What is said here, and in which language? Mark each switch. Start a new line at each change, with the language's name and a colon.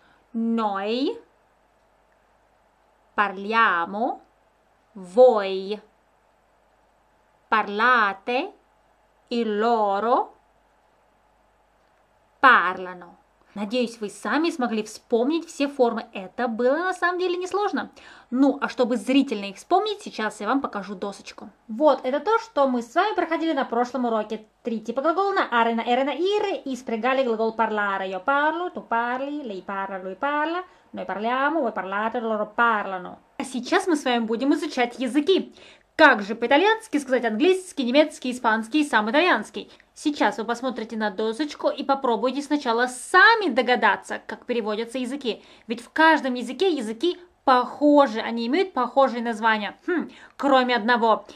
Italian: Noi parliamo, voi parlate e loro parlano.
Russian: Надеюсь, вы сами смогли вспомнить все формы. Это было на самом деле несложно. Ну, а чтобы зрительно их вспомнить, сейчас я вам покажу досочку. Вот, это то, что мы с вами проходили на прошлом уроке. Три типа глагола на аре, на эре, на ире. И спрягали глагол parlare.
Italian: Io parlo, tu parli, lei parla, lui parla. Noi parliamo, voi parlate, loro parlano.
Russian: А сейчас мы с вами будем изучать языки. Как же по-итальянски сказать английский, немецкий, испанский и сам итальянский? Сейчас вы посмотрите на досочку и попробуйте сначала сами догадаться, как переводятся языки. Ведь в каждом языке языки похожи, они имеют похожие названия. Кроме одного.